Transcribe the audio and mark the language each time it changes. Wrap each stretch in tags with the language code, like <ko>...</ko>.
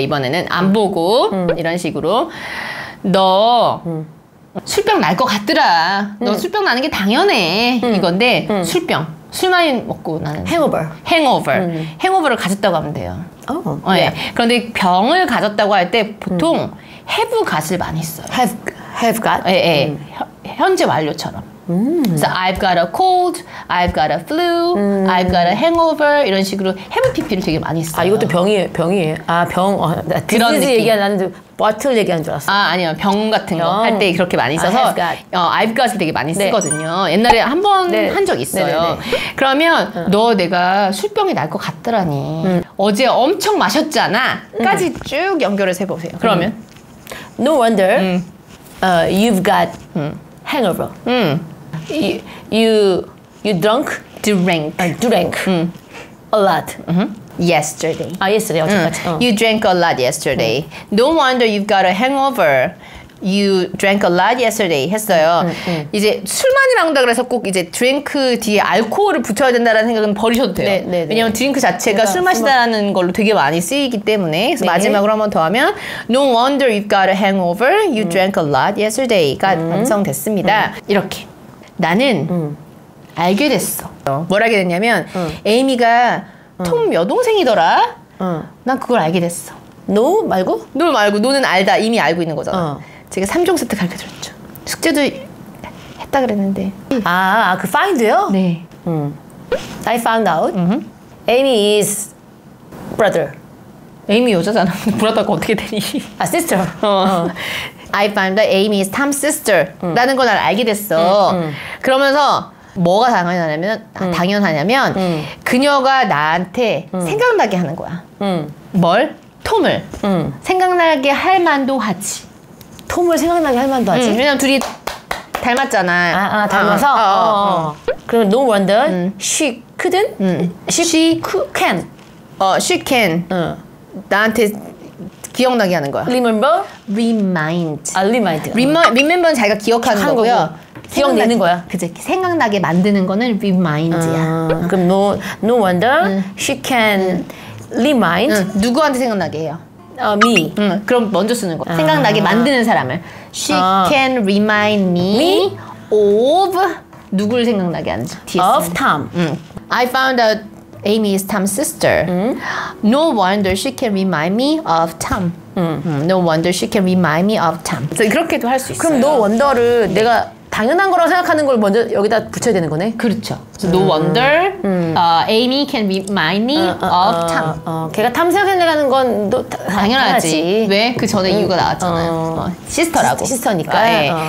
<ko>이번에는 안 보고 이런 식으로 너 술병 날 것 같더라. 너 술병 나는 게 당연해. 이건데 술병 술 많이 먹고 나는</ko> <en>hangover. Hangover.</en> <ko>Hangover를 가졌다고 하면 돼요. 오. 예. 그런데 병을 가졌다고 할 때 보통 have got을 많이 써요.</ko> <en>Have got.</en> <ko>예, 예. 현재 완료처럼.</ko> <en>So I've got a cold, I've got a flu, I've got a hangover</en> <ko>이런 식으로 have PP를 되게 많이 써요. 아 이것도 병이에요. 아 병. 그런 느낌. 얘기하는 나는 bottle 얘기하는 줄 알았어. 아 아니요 병 같은 거 할 때 그렇게 많이 써서</ko> <en>I've got</en> <ko>을 되게 많이 쓰거든요. 네. 옛날에 한 번 한 적 있어요. 네네네. 그러면 너 내가 술병이 날 것 같더라니. 어제 엄청 마셨잖아. 까지 쭉 연결해서 해보세요. 그러면</ko> <en>No wonder you've got hangover. You drank? Drank. Drank. A lot. Yesterday. Ah, yesterday. You drank a lot yesterday. No wonder you've got a hangover. You drank a lot yesterday.</en> <ko>했어요. 이제 술 많이 마신다 그래서 꼭 이제 drink 뒤에 알코올을 붙여야 된다라는 생각은 버리셔도 돼요. 네, 네, 네. 왜냐면 drink 자체가 그러니까 술 마시다라는 걸로 되게 많이 쓰이기 때문에 그래서 네. 마지막으로 한 번 더 하면</ko> <en>No wonder you've got a hangover. You drank a lot yesterday.가 완성됐습니다.</en> <ko>이렇게. 나는 알게 됐어. 뭘 알게 됐냐면 에이미가 톰 여동생이더라. 난 그걸 알게 됐어. No 말고? No 말고 No는 알다. 이미 알고 있는 거잖아. 제가 3종 세트 가르쳐드렸죠. 숙제도 했다 그랬는데. 아, 그 find요? 네.</ko> <en>I found out. Amy is brother.</en> <ko>에이미 여자잖아. 브라더가 어떻게 되니?</ko> <en>아, sister. I found that Amy is Tom's sister.</en> <ko>라는 걸 난 알게 됐어. 그러면서 뭐가 당연하냐면, 당연하냐면 그녀가 나한테 생각나게 하는 거야. 뭘? 톰을. 생각나게 할 만도 하지. 톰을 생각나게 할 만도 하지? 왜냐면 둘이 닮았잖아. 닮아서?</ko> <en>그럼 no wonder she couldn't? She can. She can.</en> <ko>나한테 기억나게 하는 거야.</ko> <en>Remember? Remind. 아, remind.</en> <ko>Remember는 자기가 기억하는 거고요. 거고. 기억내는 거야. 그치. 생각나게 만드는 거는 remind야.</ko> <en>그럼 no wonder she can remind.</en> <ko>누구한테 생각나게 해요?</ko> <en>Me.</en> <ko>그럼 먼저 쓰는 거. 생각나게 만드는 사람을.</ko> <en>She can remind me of</en> <ko>누구를 생각나게 하는지.</ko> <en>Of Tom. I found out Amy is Tom's sister. No wonder she can remind me of Tom. No wonder she can remind me of Tom.</en> <ko>그래서 이렇게도 할 수 있어요. 그럼 no wonder를 내가 당연한 거라고 생각하는 걸 먼저 여기다 붙여야 되는 거네. 그렇죠.</ko> <en>So no wonder Amy can be mini of Tom.</en> <ko>걔가 Tom 생각한다는 건 또 당연하지. 왜? 그 전에 이유가 나왔잖아요. 시스터라고. 시스터니까. 네.</ko>